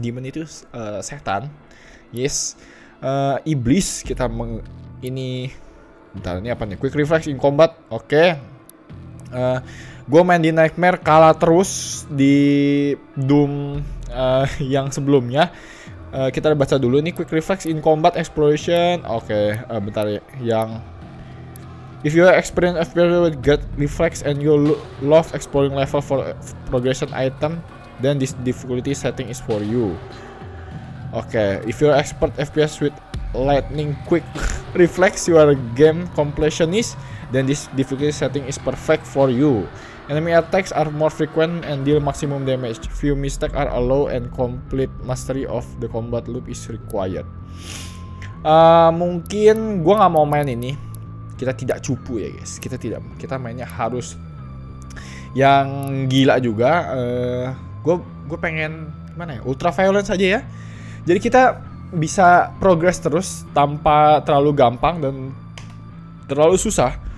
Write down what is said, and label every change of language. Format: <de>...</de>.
<id>Demon itu setan. Yes, iblis kita meng... Ini, bentar, ini apa nih?</id> <en>Quick reflex in combat.</en> <id>Oke. Okay. Gua main di Nightmare kalah terus di Doom yang sebelumnya. Kita baca dulu nih,</id> <en>quick reflex in combat exploration.</en> <id>Oke, okay. Bentar ya.</id> <en>Yang if you experience FPS with great reflex and you love exploring level for progression item, then this difficulty setting is for you. Oke, okay. If you're expert FPS with lightning quick reflex, you are a game completionist, then this difficulty setting is perfect for you. Enemy attacks are more frequent and deal maximum damage. Few mistakes are allowed and complete mastery of the combat loop is required.</en> <id>Mungkin gua gak mau main ini. Kita tidak cupu ya guys. Kita mainnya harus yang gila juga. Gua pengen gimana ya? Ultra violence aja ya. Jadi kita bisa progress terus tanpa terlalu gampang dan terlalu susah.</id>